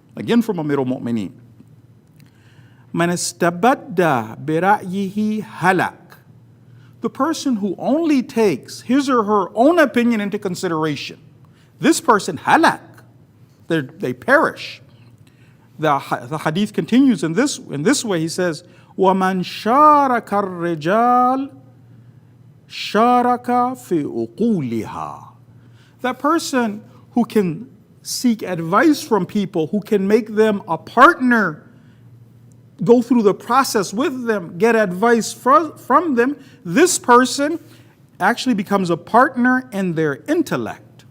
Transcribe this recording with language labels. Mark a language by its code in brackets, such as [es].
[en] Again from Amir al-Mu'mineen. [ar] مَنْ اسْتَبَدَّ بِرَأْيِهِ هَلَكْ. [en] The person who only takes his or her own opinion into consideration, this person, halak, they perish. The hadith continues in this way. He says, [ar] وَمَنْ شَارَكَ الرِّجَالِ شَارَكَ فِي أُقُولِهَا. [en] That person who can seek advice from people, who can make them a partner, go through the process with them, get advice from them, this person actually becomes a partner in their intellect.